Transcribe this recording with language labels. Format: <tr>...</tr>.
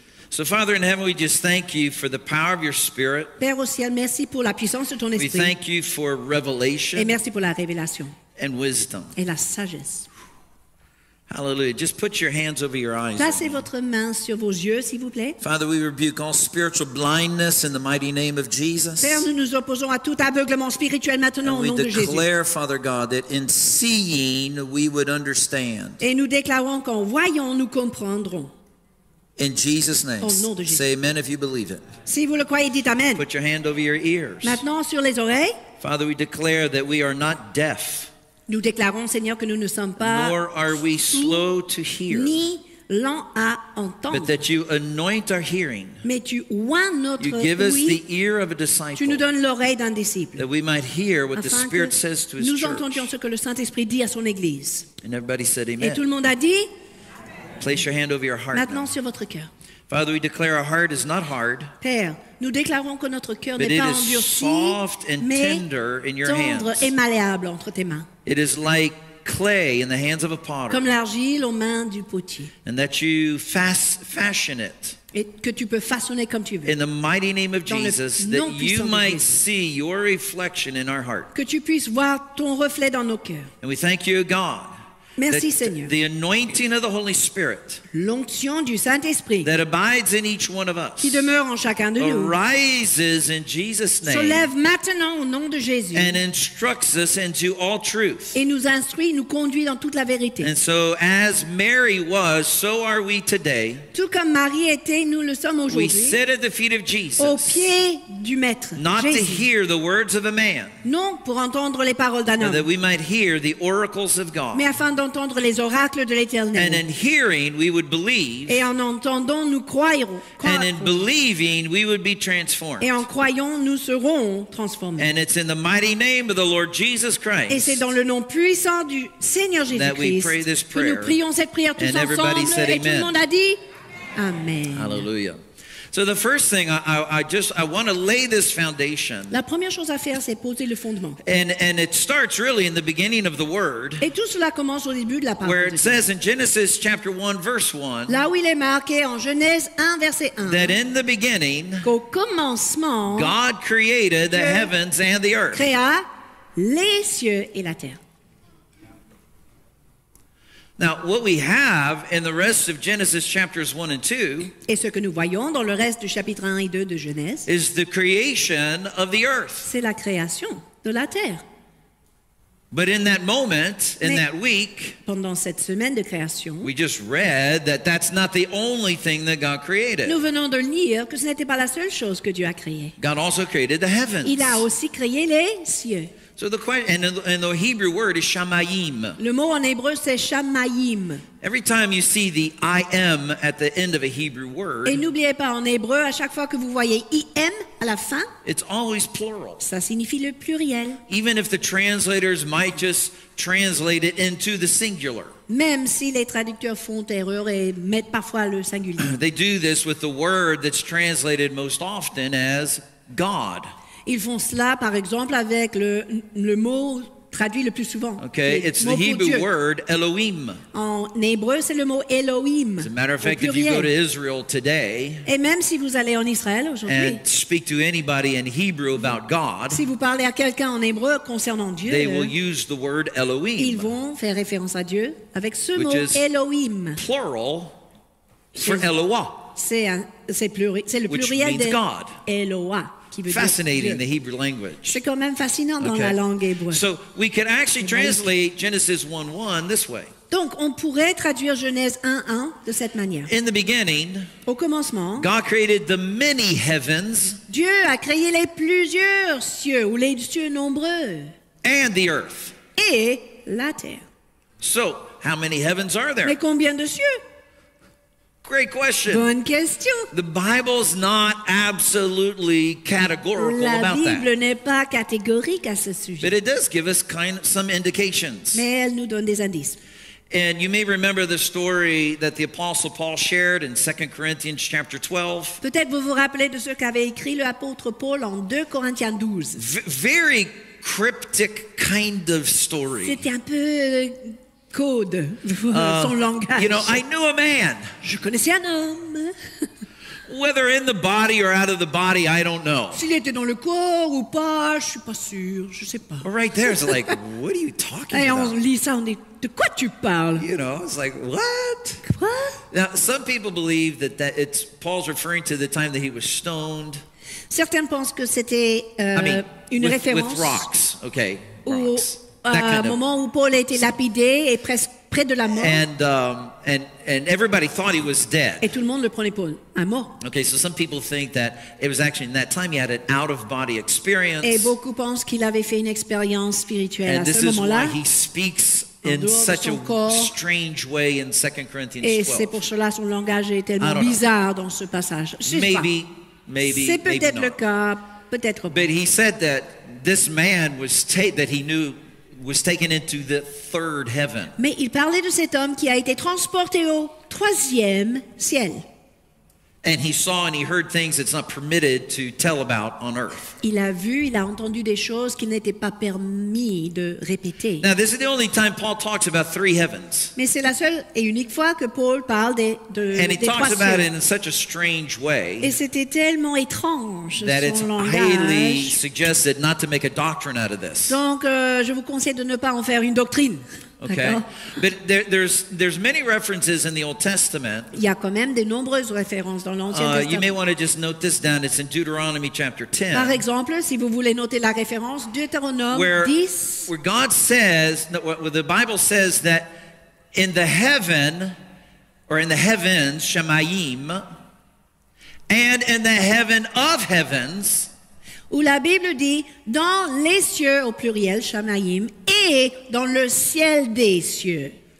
<en>So Father in heaven, we just thank you for the power of your Spirit.</en> <fr>Père au ciel, merci pour la puissance de ton esprit.</fr> <en>We thank you for revelation.</en> <fr>Et merci pour la révélation.</fr> <en>And wisdom.</en> <fr>Et la sagesse.</fr> <en>Hallelujah. Just put your hands over your eyes.</en> <fr>Placez votre main sur vos yeux, s'il vous plaît.</fr> <en>Father, we rebuke all spiritual blindness in the mighty name of Jesus.</en> <fr>Père, nous nous opposons à tout aveuglement spirituel maintenant au nom de Jésus.</fr> <en>And we declare, Father God, that in seeing we would understand.</en> <fr>Et nous déclarons qu'en voyant, nous comprendrons.</fr> <en>In Jesus' name.</en> <fr>Au nom de Jésus.</fr> <en>Say amen if you believe it.</en> <fr>Si vous le croyez, dites amen.</fr> <en>Put your hand over your ears.</en> <fr>Maintenant sur les oreilles.</fr> <en>Father, we declare that we are not deaf.</en> <fr>Nous déclarons, Seigneur, que nous ne sommes pas sourds ni lents à entendre.</fr> <en>But that you anoint our hearing.</en> <fr>Mais tu oins notre oui. Tu nous donnes l'oreille d'un disciple.</fr> <en>That we might hear what the Spirit says to his</en> <fr>nous entendions ce que le Saint-Esprit dit à son Église.</fr> <en>And everybody said amen.</en> <fr>Et tout le monde a dit</fr> <en>amen. Place your hand over your heart</en> <fr>maintenant</fr> <en>now.</en> <fr>Sur votre cœur.</fr> <en>Father, we declare our heart is not hard.</en> <fr>Père, nous déclarons que notre cœur</fr> <en>but</en> <fr>n'est pas</fr> <en>it is</en> <fr>endurci,</fr> <en>soft and tender in your</en> <fr>tendre</fr> <en>hands.</en> <fr>Et malléable entre tes mains.</fr> <en>It is like clay in the hands of a potter.</en> <fr>Comme l'argile aux mains du potier.</fr> <en>And that you fashion it.</en> <fr>Et que tu peux façonner comme tu veux.</fr> <en>In the mighty name of</en> <fr>dans</fr> <en>Jesus, that you might see your reflection in our heart.</en> <fr>Que tu puisses voir ton reflet dans nos cœurs.</fr> <en>And we thank you, God.</en> <fr>Merci, Seigneur.</fr> <en>The anointing of the Holy Spirit.</en> <fr>L'onction du Saint-Esprit.</fr> <en>That abides in each one of us.</en> <fr>Qui demeure en chacun de nous.</fr> <en>Arises in Jesus' name.</en> <fr>Se lève maintenant au nom de Jésus.</fr> <en>And instructs us into all truth.</en> <fr>Et nous instruit, nous conduit dans toute la vérité.</fr> <en>And so as Mary was, so are we today.</en> <fr>Tout comme Marie était, nous le sommes aujourd'hui.</fr> <en>We sit at the feet of Jesus.</en> <fr>Au pied du maître.</fr> <en>Not</en> <fr>Jésus.</fr> <en>To hear the words of a man.</en> <fr>Non, pour entendre les paroles d'un homme.</fr> <en>And that we might hear the oracles of God.</en> <fr>Mais afin d'entendre les oracles de l'Éternel.</fr> <en>And in hearing, we would believe.</en> <fr>Et en entendant, nous croyons.</fr> <en>And in believing, we would be transformed.</en> <fr>Et en croyant, nous serons transformés.</fr> <en>And it's in the mighty name of the Lord Jesus Christ.</en> <fr>Et c'est dans le nom puissant du Seigneur Jésus-Christ.</fr> <en>That we pray this prayer.</en> <fr>Que nous prions cette prière tous</fr> <en>and</en> <fr>ensemble.</fr> <en>Everybody said</en> <fr>et tout le monde a dit, Amen.</fr> <en>Hallelujah. So the first thing I want to lay this foundation.</en> <fr>La première chose à faire, c'est poser le fondement.</fr> <en>And it starts really in the beginning of the word.</en> <fr>Et tout cela commence au début de la parole.</fr> <en>Where it</en> <fr>de</fr> <en>says in Genesis chapter 1 verse 1.</en> <fr>Là où il est marqué en Genèse 1 verset 1.</fr> <en>That in the beginning.</en> <fr>Qu'au commencement.</fr> <en>God created the heavens and the earth.</en> <fr>Créa les cieux et la terre.</fr> <en>Now, what we have in the rest of Genesis chapters 1 and 2</en> <fr>et ce que nous voyons dans le reste du chapitre 1 et 2 de Genèse</fr> <en>is the creation of the earth.</en> <fr>C'est la création de la terre.</fr> <en>But in that moment, in that week,</en> <fr>pendant cette semaine de création,</fr> <en>we just read that that's not the only thing that God created.</en> <fr>Nous venons de lire que ce n'était pas la seule chose que Dieu a créée.</fr> <en>God also created the heavens.</en> <fr>Il a aussi créé les cieux.</fr> <en>So the question, and the Hebrew word is shamayim.</en> <fr>Le mot en hébreu c'est shamayim.</fr> <en>Every time you see the im at the end of a Hebrew word.</en> <fr>Et n'oubliez pas en hébreu à chaque fois que vous voyez im à la fin.</fr> <en>It's always plural.</en> <fr>Ça signifie le pluriel.</fr> <en>Even if the translators might just translate it into the singular.</en> <fr>Même si les traducteurs font erreur et mettent parfois le singulier.</fr> <en>They do this with the word that's translated most often as God.</en> <fr>Ils font cela, par exemple, avec le mot traduit le plus souvent.</fr> <en>Okay, it's the Hebrew word Elohim.</en> <fr>En hébreu, c'est le mot Elohim.</fr> <en>As a matter of fact, if you go to Israel today,</en> <fr>et même si vous allez en Israël aujourd'hui,</fr> <en>and speak to anybody in Hebrew about God,</en> <fr>si vous parlez à quelqu'un en hébreu concernant Dieu,</fr> <en>they will use the word Elohim.</en> <fr>Ils vont faire référence à Dieu avec ce mot Elohim.</fr> <en>Plural for Eloah.</en> <fr>C'est le pluriel</fr> <en>which means God.</en> <fr>Eloah.</fr> <en>Fascinating in the Hebrew language.</en> <fr>C'est quand même fascinant dans la langue hébreu.</fr> <en>So we can actually translate Genesis 1:1 this way.</en> <fr>Donc on pourrait traduire Genèse 1:1 de cette manière.</fr> <en>In the beginning,</en> <fr>au commencement,</fr> <en>God created the many heavens.</en> <fr>Dieu a créé les plusieurs cieux ou les cieux nombreux.</fr> <en>And the earth.</en> <fr>Et la terre.</fr> <en>So How many heavens are there?</en> <fr>Mais combien de cieux?</fr> <en>Great question.</en> <fr>Bonne question.</fr> <en>The Bible's not absolutely categorical about that.</en> <fr>La Bible n'est pas catégorique à ce sujet.</fr> <en>But it does give us kind of some indications.</en> <fr>Mais elle nous donne des indices.</fr> <en>And you may remember the story that the Apostle Paul shared in 2 Corinthians chapter 12.</en> <fr>Peut-être vous vous rappelez de ce qu'avait écrit le apôtre Paul en 2 Corinthiens 12.</fr> <en>Very cryptic kind of story.</en> <fr>C'était un peu code, son langage.</fr> <en>You know, I knew a man.</en> <fr>Je connaissais un homme.</fr> <en>Whether in the body or out of the body, I don't know.</en> <fr>S'il était dans le corps ou pas, je suis pas sûr, je sais pas.</fr> <en>Right there, it's like, what are you talking</en> <fr>et</fr> <en>about?</en> <fr>Et on lit ça, on dit, de quoi tu parles?</fr> <en>You know, it's like, what?</en> <fr>Quoi?</fr> <en>Now, some people believe that it's Paul's referring to the time that he was stoned.</en> <fr>Certains pensent que c'était une référence.</fr> <en>With rocks, okay, rocks.</en> <fr>Au moment où Paul a été lapidé et presque près de la mort.</fr> <en>And everybody thought he was dead.</en> <fr>Et tout le monde le prenait pour un mort.</fr> <en>Okay, so some people think that it was actually in that time he had an out-of-body experience.</en> <fr>Et beaucoup pensent qu'il avait fait une expérience spirituelle</fr> <en>and</en> <fr>à ce moment-là.</fr> <en>And this is why he speaks in such a strange way in 2 Corinthians 12.</en> <fr>Et c'est pour cela son langage est tellement bizarre dans ce passage.</fr> <en>Maybe</en> <fr>c'est peut-être le cas, peut-être pas.</fr> <en>But he said that this man was taken into the third heaven.</en> <fr>Mais il parlait de cet homme qui a été transporté au troisième ciel.</fr> <en>And he saw and he heard things it's not permitted to tell about on earth.</en> <fr>Il a vu, il a entendu des choses qu'il n'était pas permis de répéter.</fr> <en>Now this is the only time Paul talks about three heavens.</en> <fr>Mais c'est la seule et unique fois que Paul parle des trois cieux.</fr> <en>And he talks about it in such a strange way.</en> <fr>Et c'était tellement étrange</fr> <en>that</en> <fr>son</fr> <en>it's</en> <fr>langage.</fr> <en>Highly suggested not to make a doctrine out of this.</en> <fr>Donc je vous conseille de ne pas en faire une doctrine.</fr> <en>Okay. But there's many references in the Old Testament.</en> <fr>Il y a quand même de nombreuses références dans l'Ancien Testament.</fr> <en>You may want to just note this down. It's in Deuteronomy chapter 10.</en> <fr>Par exemple, si vous voulez noter la référence, Deutéronome 10.</fr> <en>Where God says, where the Bible says that in the heaven, or in the heavens, Shemayim, and in the heaven of heavens,</en> <fr>où la Bible dit dans les cieux au pluriel Shamayim et dans le ciel des cieux.</fr>